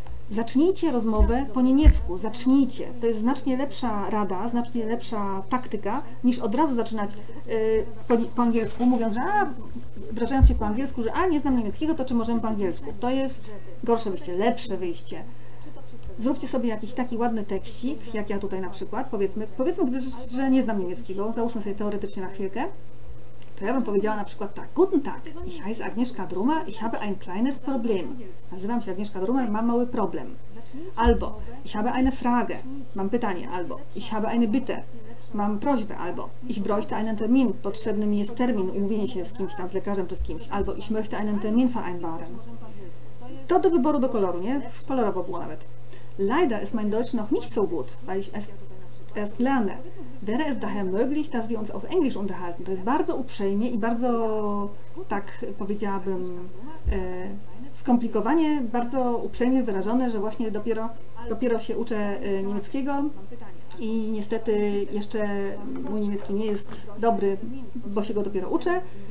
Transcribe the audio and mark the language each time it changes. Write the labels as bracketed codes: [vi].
[pl] Zacznijcie rozmowę po niemiecku, zacznijcie. To jest znacznie lepsza rada, znacznie lepsza taktyka, niż od razu zaczynać po angielsku, mówiąc, że wrażając się po angielsku, że nie znam niemieckiego, to czy możemy po angielsku? To jest gorsze wyjście, lepsze wyjście. Zróbcie sobie jakiś taki ładny tekścik, jak ja tutaj na przykład, powiedzmy, że nie znam niemieckiego, załóżmy sobie teoretycznie na chwilkę, to ja bym powiedziała na przykład tak. [de] Guten Tag, ich heiße Agnieszka Drumer, ich habe ein kleines Problem. [pl] Nazywam się Agnieszka Drumer, mam mały problem. [de] Albo ich habe eine Frage, [pl] mam pytanie. [de] Albo ich habe eine Bitte, [pl] mam prośbę. Albo [de] ich bräuchte einen Termin, [pl] potrzebny mi jest termin, umówienie się z kimś tam, z lekarzem czy z kimś. Albo [de] ich möchte einen Termin vereinbaren. [pl] To do wyboru, do koloru, nie? Kolorowo było nawet. [de] Leider ist mein Deutsch noch nicht so gut, weil ich erst lerne. Wäre es daher möglich, dass wir uns auf Englisch unterhalten. [pl] To jest bardzo uprzejmie i bardzo, tak powiedziałabym, skomplikowanie, bardzo uprzejmie wyrażone, że właśnie dopiero się uczę niemieckiego i niestety jeszcze mój niemiecki nie jest dobry, bo się go dopiero uczę.